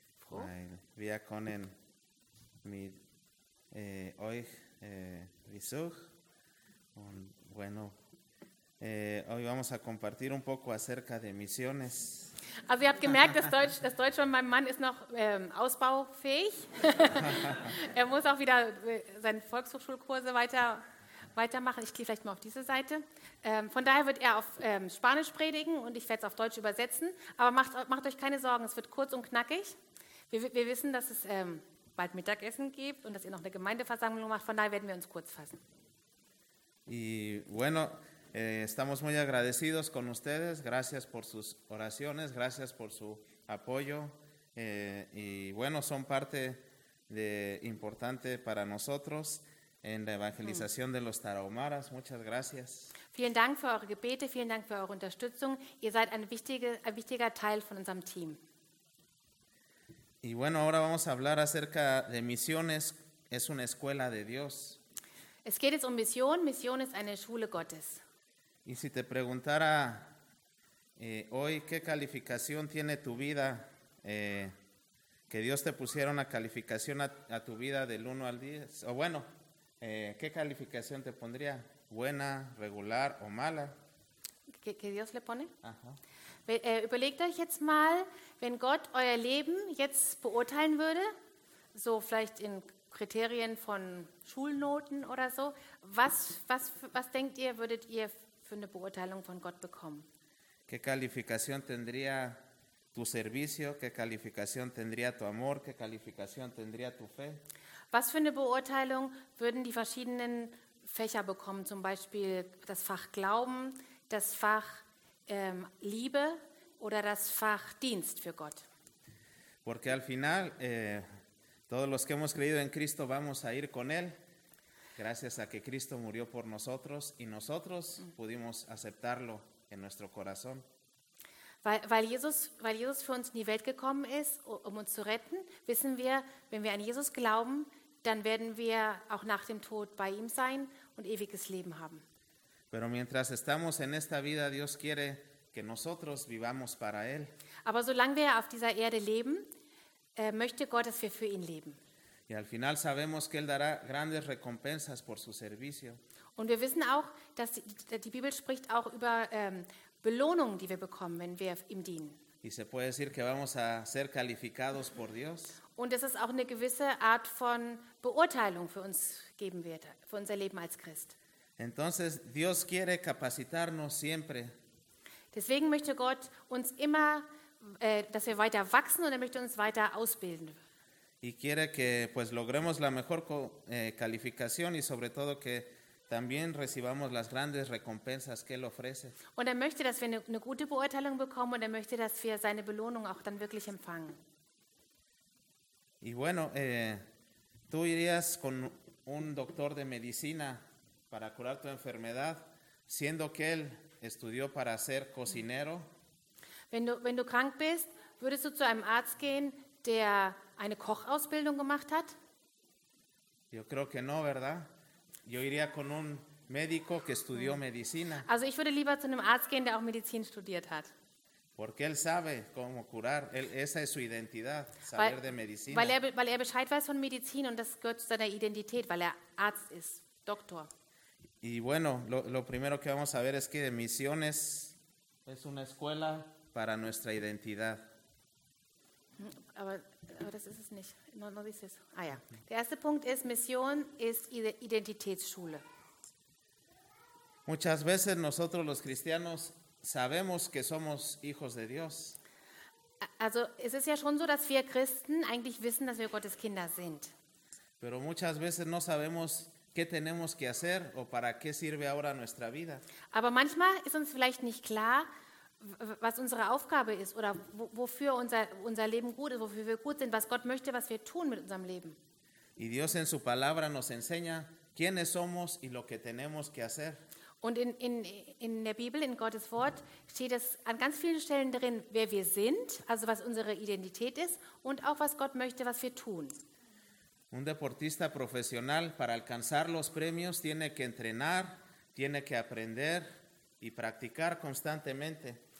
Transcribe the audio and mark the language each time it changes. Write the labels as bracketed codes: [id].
[de] Weil wir können mit euch Besuch. Und [es] bueno, hoy vamos a compartir un poco acerca de misiones. [de] Also ihr habt gemerkt, das Deutsch von meinem Mann ist noch ausbaufähig. Er muss auch wieder seine Volkshochschulkurse weitermachen. Ich gehe vielleicht mal auf diese Seite. Von daher wird er auf Spanisch predigen und ich werde es auf Deutsch übersetzen. Aber macht euch keine Sorgen, es wird kurz und knackig. Wir wissen, dass es bald Mittagessen gibt und dass ihr noch eine Gemeindeversammlung macht. Von daher werden wir uns kurz fassen. [es] Y bueno, estamos muy agradecidos con ustedes. Gracias por sus oraciones. Gracias por su apoyo. Y bueno, son parte de importante para nosotros en la evangelización de los tarahumaras. Muchas gracias. [de] Vielen Dank für eure Gebete. Vielen Dank für eure Unterstützung. Ihr seid ein wichtiger Teil von unserem Team. [es] Y bueno, ahora vamos a hablar acerca de misiones. Es una escuela de Dios. [de] Es geht jetzt um Mission. Mission ist eine Schule Gottes. [es] Y si te preguntara hoy qué calificación tiene tu vida, que Dios te pusiera una calificación a tu vida del 1 al 10, o bueno, ¿qué calificación te pondría? ¿Buena, regular o mala? ¿Qué Dios le pone? Ajá. [de] Überlegt euch jetzt mal, wenn Gott euer Leben jetzt beurteilen würde, so vielleicht in Kriterien von Schulnoten oder so, was denkt ihr, würdet ihr für eine Beurteilung von Gott bekommen? [es] ¿Qué calificación tendría tu servicio? ¿Qué calificación tendría tu amor? ¿Qué calificación tendría tu fe? [de] Was für eine Beurteilung würden die verschiedenen Fächer bekommen? Zum Beispiel das Fach Glauben, das Fach Liebe oder das Fach Dienst für Gott? [es] Porque al final todos los que hemos creído en Cristo vamos a ir con él. Gracias a que Cristo murió por nosotros y nosotros pudimos aceptarlo en nuestro corazón. [de] Weil Jesus für uns in die Welt gekommen ist, um uns zu retten, wissen wir, wenn wir an Jesus glauben, dann werden wir auch nach dem Tod bei ihm sein und ewiges Leben haben. [es] Pero mientras estamos en esta vida, Dios quiere que nosotros vivamos para él. [de] Aber solange wir auf dieser Erde leben, möchte Gott, dass wir für ihn leben. [es] Y al final sabemos que él dará grandes recompensas por su servicio. [de] Und wir wissen auch, dass die Bibel spricht auch über Belohnungen, die wir bekommen, wenn wir ihm dienen. [es] Y se puede decir que vamos a ser calificados por Dios. [de] Und es ist auch eine gewisse Art von Beurteilung für uns geben wird, für unser Leben als Christ. [es] Entonces Dios quiere capacitarnos siempre. [de] Deswegen möchte Gott uns immer, dass wir weiter wachsen und er möchte uns weiter ausbilden. [es] Y quiere que pues logremos la mejor calificación y sobre todo que también recibamos las grandes recompensas que él ofrece. [de] Und er möchte, dass wir eine gute Beurteilung bekommen und er möchte, dass wir seine Belohnung auch dann wirklich empfangen. [es] Y bueno, tú irías con un doctor de medicina para curar tu enfermedad, siendo que él estudió para ser cocinero. [de] Wenn du krank bist, würdest du zu einem Arzt gehen, der eine Kochausbildung gemacht hat? [es] Yo creo que no, ¿verdad? Yo iría con un médico que estudió medicina. [de] Also ich würde lieber zu einem Arzt gehen, der auch Medizin studiert hat. [es] Porque él sabe cómo curar. Esa es su identidad, saber de medicina. [de] Weil er Bescheid weiß von Medizin und das gehört zu seiner Identität, weil er Arzt ist, Doktor. [es] Y bueno, lo primero que vamos a ver es que misiones es una escuela para nuestra identidad. [de] Aber das ist es nicht. [es] No dice eso. [de] Ah ja. Der erste Punkt ist, Mission ist Identitätsschule. [es] Muchas veces nosotros los cristianos sabemos que somos hijos de Dios. [de] Also es ist ja schon so, dass wir Christen eigentlich wissen, dass wir Gottes Kinder sind. [es] Pero muchas veces no sabemos qué tenemos que hacer o para qué sirve ahora nuestra vida. [de] Aber manchmal ist uns vielleicht nicht klar, was unsere Aufgabe ist oder wofür unser Leben gut ist, wofür wir gut sind, was Gott möchte, was wir tun mit unserem Leben. [es] Y Dios en su palabra nos enseña quiénes somos y lo que tenemos que hacer. [de] Und in der Bibel, in Gottes Wort, steht es an ganz vielen Stellen drin, wer wir sind, also was unsere Identität ist und auch was Gott möchte, was wir tun. [es] Un deportista profesional para alcanzar los premios tiene que entrenar, tiene que aprender y practicar constantemente.